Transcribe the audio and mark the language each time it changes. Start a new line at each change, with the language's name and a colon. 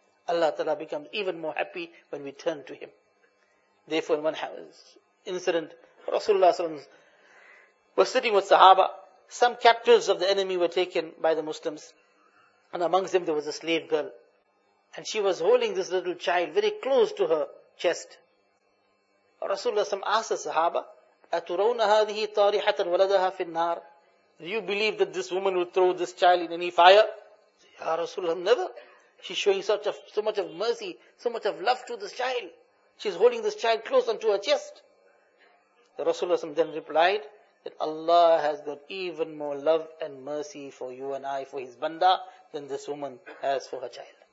English: Allah Ta'ala becomes even more happy when we turn to him. Therefore in one incident, Rasulullah Sallallahu Alaihi Wasallam was sitting with Sahaba. Some captives of the enemy were taken by the Muslims. And amongst them there was a slave girl. And she was holding this little child very close to her chest. Rasulullah asked the Sahaba,
Arabic: أَتُرَوْنَ هَذِهِ طَارِحَةً وَلَدَهَا فِي النَّارِ.
English: Do you believe that this woman will throw this child in any fire? Ya Rasulullah, never. She's showing so much of mercy, so much of love to this child. She's holding this child close onto her chest. Rasulullah then replied, that Allah has got even more love and mercy for you and I, for his banda, than this woman has for her child.